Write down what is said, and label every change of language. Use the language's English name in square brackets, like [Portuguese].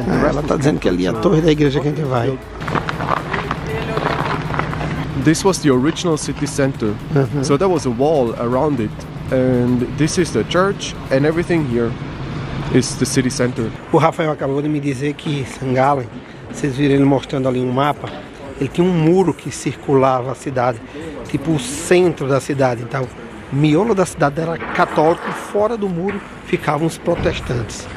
[Portuguese] Ela está dizendo que ali é a torre da igreja que a gente vai. [English] This was the original city center. So there was a wall around it, and this is the church, and everything here is the city center. [Portuguese] O Rafael acabou de me dizer que Sant Gallen, vocês viram ele mostrando ali um mapa, ele tinha um muro que circulava a cidade, tipo o centro da cidade. Então, o miolo da cidade era católico, fora do muro ficavam os protestantes.